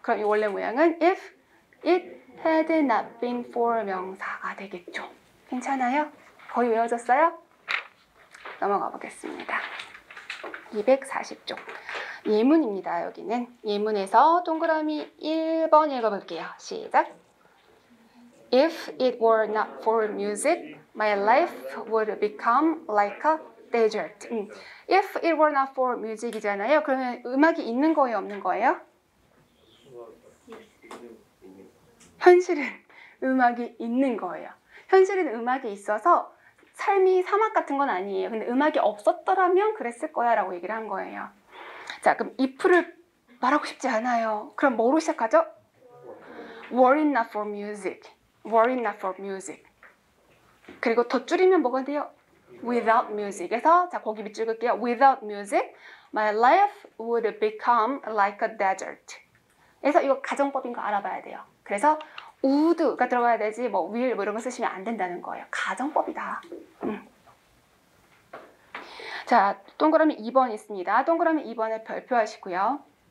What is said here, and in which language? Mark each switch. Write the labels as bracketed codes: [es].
[ko] 그럼 이 원래 모양은 [en] If it had not been for [ko] 명사가 되겠죠. 괜찮아요? 거의 외워졌어요? 넘어가 보겠습니다. 240쪽 예문입니다. 여기는 예문에서 동그라미 1번 읽어볼게요. 시작. [en] If it were not for music, my life would become like a desert. If it were not for music이잖아요. [ko] 그러면 음악이 있는 거예요, 없는 거예요? 현실은 음악이 있는 거예요. 현실은 음악이 있어서 삶이 사막 같은 건 아니에요. 근데 음악이 없었더라면 그랬을 거야 라고 얘기를 한 거예요. 자, 그럼 if를 말하고 싶지 않아요. 그럼 뭐로 시작하죠? [en] Were it not for music. Were it not for music. [ko] 그리고 더 줄이면 뭐가 돼요? [en] Without music. [ko] 그래서 자, 거기 밑줄 긋게요. [en] Without music, my life would become like a desert. [ko] 그래서 이거 가정법인 거 알아봐야 돼요. 그래서 would가 들어가야 되지 뭐 will 뭐 이런 거 쓰시면 안 된다는 거예요. 가정법이다. 자, 동그라미 2번 있습니다. 동그라미 2번에 별표하시고요.